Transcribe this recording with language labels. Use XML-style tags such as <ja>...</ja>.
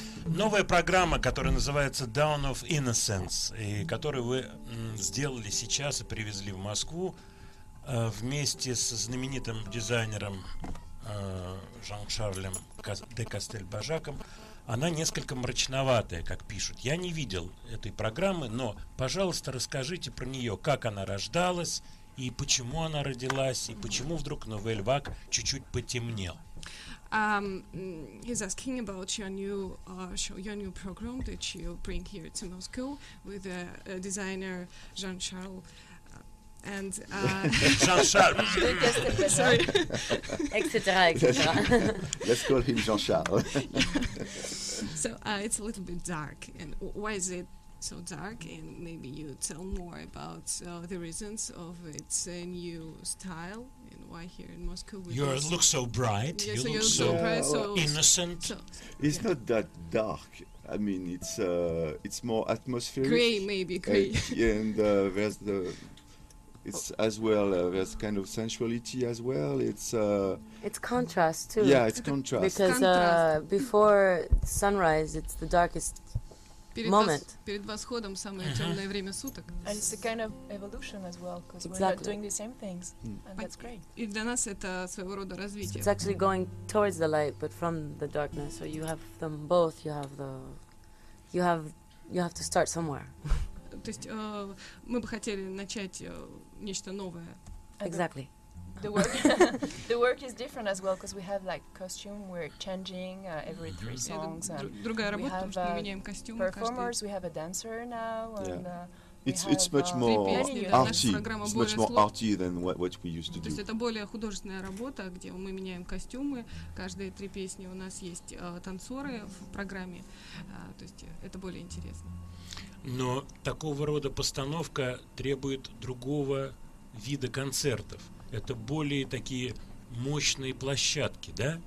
<ru>Новая программа, которая называется Dawn of Innocence, и которую вы сделали сейчас и привезли в Москву вместе с знаменитым дизайнером Жан-Шарлем де Кастель-Бажаком, она несколько мрачноватая, как пишут. Я не видел этой программы, но, пожалуйста, расскажите про нее, как она рождалась, и почему она родилась, и почему вдруг Новель Ваг чуть-чуть потемнел.</ru> <en>He's asking about your new show, your new program that you bring here to Moscow with the designer Jean-Charles. And Jean-Charles, sorry, etc. etc. Let's call him Jean-Charles. So it's a little bit dark. And why is it so dark? And maybe you tell more about the reasons of its new style. Why here in Moscow? You look so bright. Yeah, you so, so, bright, so innocent. It's not that dark. I mean, it's more atmospheric. Gray, maybe gray. And there's the, it's as well. There's kind of sensuality as well. It's contrast too. Yeah, it's contrast. Because before sunrise, it's the darkest moment.</en> <ru>Перед восходом самое темное время суток.</ru> <en>And it's a kind of evolution as well, because exactly. We're doing the same things, and that's great.</en> <ru>И для нас это своего рода развитие.</ru> <en>It's actually going towards the light, but from the darkness. So you have them both. You have the, you have to start somewhere.</en> <ru>То есть мы бы хотели начать нечто новое.</ru> <en>Exactly. The work is different as well, because we have like costume, we're changing every three songs, and we have performers, we have a dancer now, and yeah. It's much more arty. It's much more arty than what we used to do.</en> <ru>То есть это более художественная работа, где мы меняем костюмы. Каждые три песни у нас есть танцоры в программе. То есть это более интересно. Но такого рода постановка требует другого вида концертов. Это более такие мощные площадки, да?</ru>